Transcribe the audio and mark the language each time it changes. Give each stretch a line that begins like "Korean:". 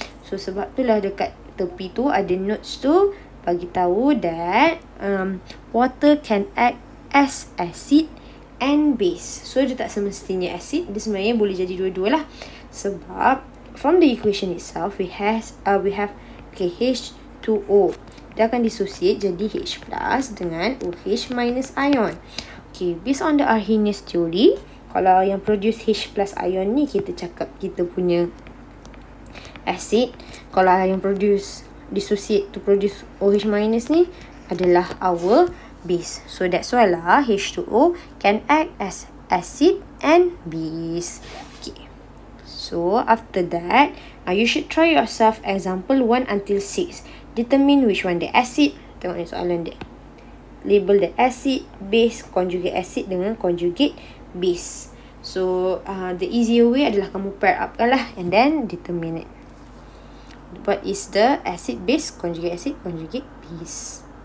Malay: So sebab itulah dekat tepi tu ada notes tu bagi tahu
English: that water can act as acid and base.
Malay: So dia tak semestinya acid, dia sebenarnya boleh jadi dua-dua lah. Sebab
English: from the equation itself, we have okay, H2O.
Malay: Dia akan disosiate jadi H+ dengan OH- ion.
English: Okay, based on the Arrhenius theory,
Malay: kalau yang produce H+ ion ni, kita cakap kita punya acid. Kalau yang produce, disosiate to produce OH- ni, adalah our base.
English: So, that's why lah H2O can act as acid and base. Okay. So, after that, you should try yourself example 1 until 6. Determine which one the acid.
Malay: Tengok ni soalan dia.
English: Label the acid, base, conjugate acid dengan conjugate base. So, the easier way
Malay: adalah kamu
English: pair up kan lah. And then, determine it. What is the acid, base, conjugate acid, conjugate base.